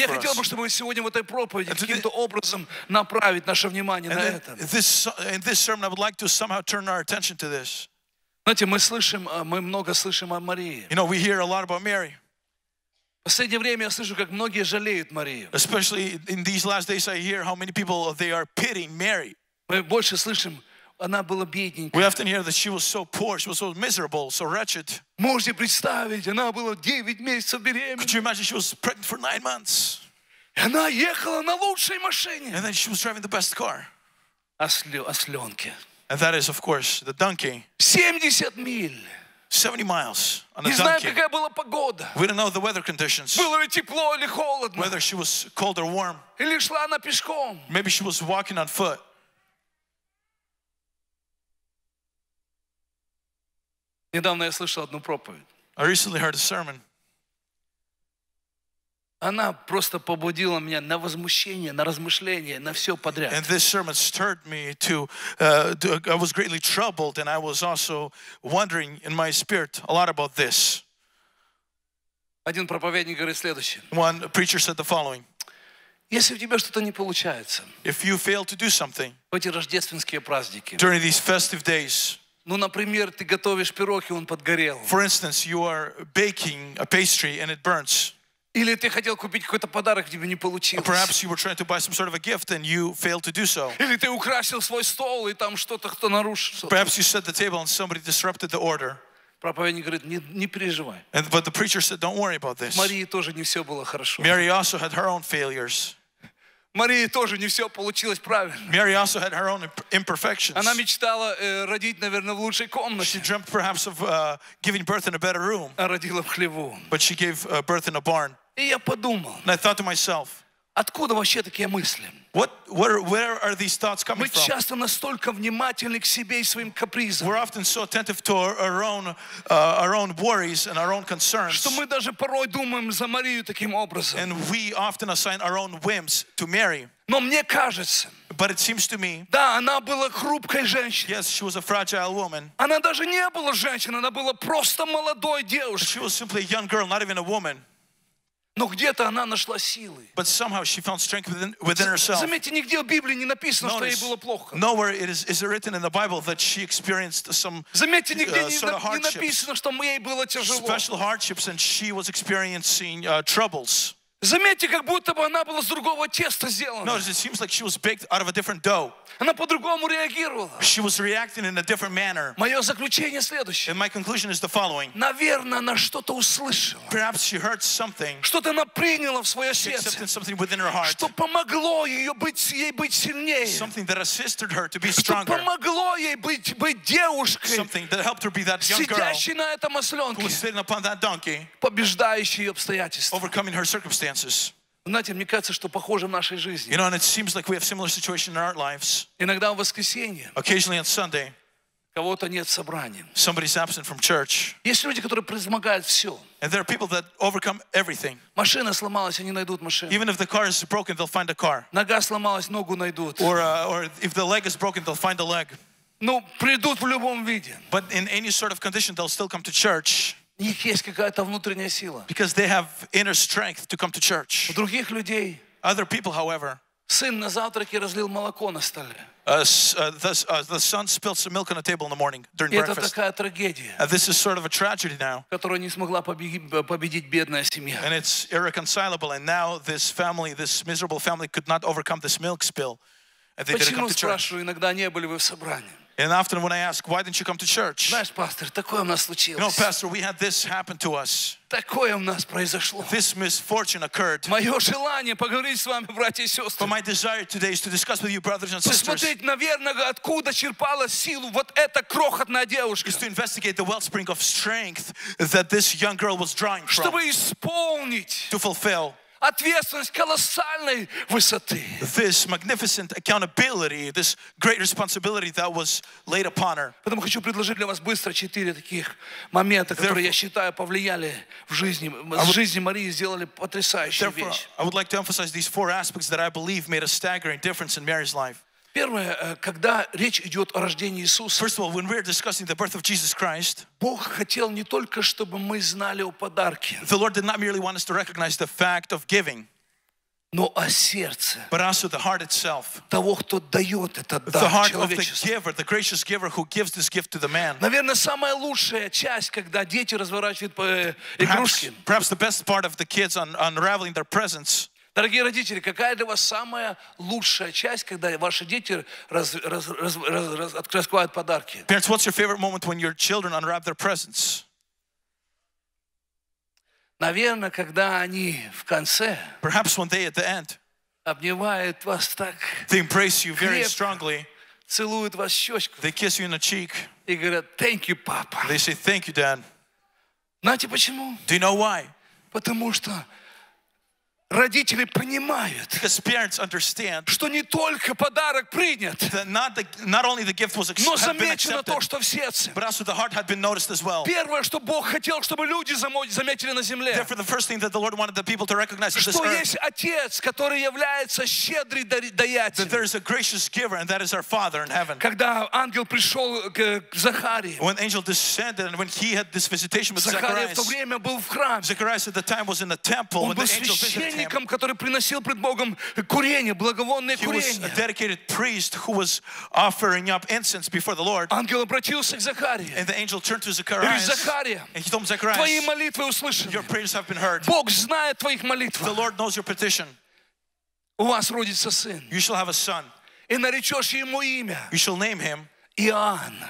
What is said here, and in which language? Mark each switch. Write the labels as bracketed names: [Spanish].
[Russian] Я хотел бы, чтобы мы сегодня в этой проповеди каким-то образом направить наше внимание на это. [English] In this sermon, I would like to somehow turn our attention to this. [Russian] Знаете, мы много слышим о Марии. [English] You know, we hear a lot about Mary. [Russian] В последнее время я слышу, как многие жалеют Марию. [English] Especially in these last days, I hear how many people they are pitying Mary. [Russian] Мы больше слышим, она была бедненькая. [English] We often hear that she was so poor, she was so miserable, so wretched. [Russian] Можете представить, она была 9 месяцев беременна. [English] Could you imagine she was pregnant for 9 months? [Russian] И она ехала на лучшей машине. [English] And then she was driving the best car. [Russian] Осленки. [English] And that is, of course, the donkey. [Russian] 70 миль. [English] 70 miles on a donkey. [Russian] Не знаю, какая была погода. [English] We don't know the weather conditions. [Russian] Было ли тепло или холодно. [English] Whether she was cold or warm. [Russian] Или шла она пешком. [English] Maybe she was walking on foot. [Russian] Недавно я слышал одну проповедь. [English] I recently heard a sermon. [Russian] Она просто побудила меня на возмущение, на размышление, на все подряд. [English] And this sermon stirred me to, I was greatly troubled, and I was also wondering in my spirit a lot about this. [Russian] Один проповедник говорит следующее. [English] One preacher said the following. [Russian] Если у тебя что-то не получается, [English] if you fail to do something, [Russian] в эти рождественские праздники, [English] during these festive days, [Russian] ну, например, ты готовишь пирог, и он подгорел. [English] For instance, you are baking a pastry, and it burns. [Russian] Или ты хотел купить какой-то подарок, тебе не получилось. [English] Perhaps you were trying to buy some sort of a gift and you failed to do so. [Russian] Или ты украсил свой стол, и там что-то кто нарушил. [English] Perhaps you set the table and somebody disrupted the order. [Russian] Проповедник говорит, не переживай. [English] But the preacher said, don't worry about this. [Russian] Марии тоже не все было хорошо. [English] Mary also had her own failures. [Russian] Марии тоже не все получилось правильно. [English] Mary also had her own imperfections. [Russian] Она мечтала родить, наверное, в лучшей комнате. [English] She dreamt perhaps of giving birth in a better room. [Russian] А родила в хлеву. [English] But she gave birth in a barn. [Russian] И я подумал. [English] And I thought to myself. [Russian] Откуда вообще такие мысли? [English] Where are these thoughts coming [Russian] мы [English] from? [Russian] Мы часто настолько внимательны к себе и своим капризам. [English] We're often so attentive to our own worries and our own concerns. [Russian] Что мы даже порой думаем за Марию таким образом. [English] And we often assign our own whims to Mary. [Russian] Но мне кажется. [English] But it seems to me. [Russian] Да, она была хрупкой женщиной. [English] Yes, she was a fragile woman. [Russian] Она даже не была женщиной, она была просто молодой девушкой. [English] She was simply a young girl, not even a woman. [Russian] Но где-то она нашла силы. [English] But somehow she found strength within herself. [Russian] Заметьте, нигде в Библии не написано, что ей было плохо. [English] Nowhere is it written in the Bible that she experienced some sort of hardship. [Russian] Заметьте, нигде не написано, что ей было тяжело. [English] Special hardships and she was experiencing troubles. [Russian] Заметьте, как будто бы она была с другого теста сделана. [English] Notice, it seems like she was baked out of a different dough. [Russian] Она по-другому реагировала. [English] She was reacting in a different manner. [Russian] Мое заключение следующее. [English] And my conclusion is the following. [Russian] Наверное, она что-то услышала. [English] Perhaps she heard something. [Russian] Что-то она приняла в свое сердце. [English] Accepted something within her heart. [Russian] Что помогло ей быть сильнее. [English] Something that assisted her to be stronger. [Russian] Что помогло ей быть девушкой. [English] Something that helped her be that young girl. [Russian] Сидящей на этом осленке. [English] Who was sitting upon that donkey. [Russian] Побеждающей обстоятельства. [English] Overcoming her circumstances. [Russian] Знаете, мне кажется, что похоже в нашей жизни. [English] You know, and it seems like we have similar situation in our lives. [Russian] Иногда в воскресенье. [English] Occasionally on Sunday. [Russian] Кого-то нет в собрании. [English] Somebody's absent from church. [Russian] Есть люди, которые превозмогают все. [English] And there are people that overcome everything. [Russian] Машина сломалась, они найдут машину. [English] Even if the car is broken, they'll find a car. [Russian] Нога сломалась, ногу найдут. [English] Or if the leg is broken, they'll find a leg. [Russian] Ну, придут в любом виде. [English] But in any sort of condition, they'll still come to church. [Russian] У них есть какая-то внутренняя сила. [English] Because they have inner strength to come to church. [Russian] У других людей. [English] Other people, however. [Russian] Сын на завтраке разлил молоко на столе. [English] The son spilled some milk on a table in the morning during breakfast. [Russian] Это такая трагедия. [English] This is sort of a tragedy now. [Russian] Которую не смогла победить бедная семья. [English] And it's irreconcilable. And now this family, this miserable family, could not overcome this milk spill. And they [Russian] Почему, [English] didn't come to [Russian] спрашиваю, иногда не были вы в собрании? [English] And often when I ask, why didn't you come to church? [Russian] Знаешь, пастор, такое у нас случилось. [English] No, pastor, we had this happen to us. [Russian] Такое у нас произошло. [English] This misfortune occurred. [Russian] Мое желание поговорить с вами, братья и сестры. [English] But my desire today is to discuss with you, brothers and sisters. [Russian] Посмотреть, наверное, откуда черпала силу вот эта крохотная девушка. [English] Is to investigate the wellspring of strength that this young girl was drawing from. [Russian] Чтобы исполнить. [English] To fulfill. [Russian] Ответственность колоссальной высоты. [English] This magnificent accountability, this great responsibility that was laid upon her. [Russian] Поэтому хочу предложить для вас быстро четыре таких момента, которые я считаю повлияли в жизни Марии, сделали потрясающую вещь. [English] Therefore, I would like to emphasize these four aspects that I believe made a staggering difference in Mary's life. [Russian] Первое, когда речь идет о рождении Иисуса. [English] First of all, when we are discussing the birth of Jesus Christ. [Russian] Бог хотел не только, чтобы мы знали о подарке. [English] The Lord did not merely want us to recognize the fact of giving. [Russian] Но о сердце. [English] But also the heart itself. [Russian] Того, кто дает этот дар. [English] The heart of the giver, the gracious giver who gives this gift to the man. [Russian] Наверное, самая лучшая часть, когда дети разворачивают игрушки. [English] Perhaps the best part of the kids unraveling their presents. [Russian] Дорогие родители, какая для вас самая лучшая часть, когда ваши дети раскрывают подарки? [English] Parents, what's your favorite moment when your children unwrap their presents? [Russian] Наверное, когда они в конце. [English] Perhaps when they at the end. [Russian] Обнимают вас так. [English] They embrace you very strongly. [Russian] Целуют вас в щечку. [English] They kiss you in the cheek. [Russian] И говорят, [English] thank you, [Russian] папа. [English] They say, thank you, dad. [Russian] Знаете почему? [English] Do you know why? [Russian] Потому что родители понимают, [English] because parents understand, [Russian] что не только подарок принят, но замечено то, что в сердце. [English] But also the heart had been noticed as well. [Russian] Первое, что Бог хотел, чтобы люди заметили на земле, [English] therefore the first thing that the Lord wanted the people to recognize [Russian] что [English] this earth, [Russian] есть отец, который является щедрый даятель. [English] That there is a gracious giver and that is our Father in heaven. [Russian] Когда ангел пришел к Захарии, [English] when angel descended and when he had this visitation with [Russian] Zacharias, Захария в то время был в храме. [English] Zacharias at the time was in the temple when the angel visited. [Russian] Священником, который приносил пред Богом курение, благовонное курение. [English] He was a dedicated priest who was offering up incense before the Lord. [Russian] Ангел обратился к Захарии. [English] And the angel turned to Zacharias. [Russian] Захария. [English] And he told him, Zacharias. [Russian] Твои молитвы услышаны. [English] Your prayers have been heard. [Russian] Бог знает твоих молитв. [English] The Lord knows your petition. [Russian] У вас родится сын. [English] You shall have a son. [Russian] И наречешь ему имя. [English] You shall name him. [Russian] Иоанн.